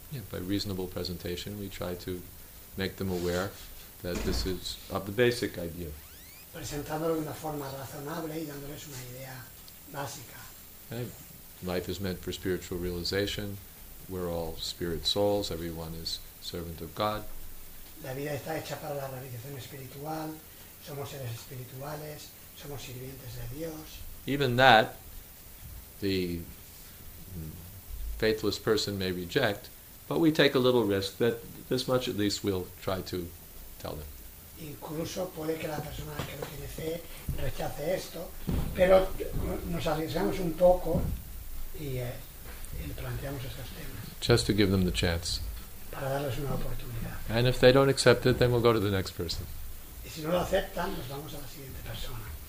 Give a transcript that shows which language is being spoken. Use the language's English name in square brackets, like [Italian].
[English] By reasonable presentation, we try to make them aware that this is of the basic idea. [Spanish] Presentándolo de una forma razonable y dándoles una idea básica. [English] Okay. Life is meant for spiritual realization. We're all spirit souls. Everyone is servant of God. [Spanish] La vida está hecha para la realización espiritual. Somos seres espirituales, somos sirvientes de Dios. [English] Even that, the faithless person may reject, but we take a little risk that this much at least we'll try to tell them. [Spanish] Incluso puede que la persona que no tiene fe rechace esto, pero nos arriesgamos un poco y planteamos esos temas. [English] Just to give them the chance. [Spanish] Para darles una oportunidad. [English] And if they don't accept it, then we'll go to the next person. [Spanish] Si no lo aceptan, nos vamos a la siguiente persona.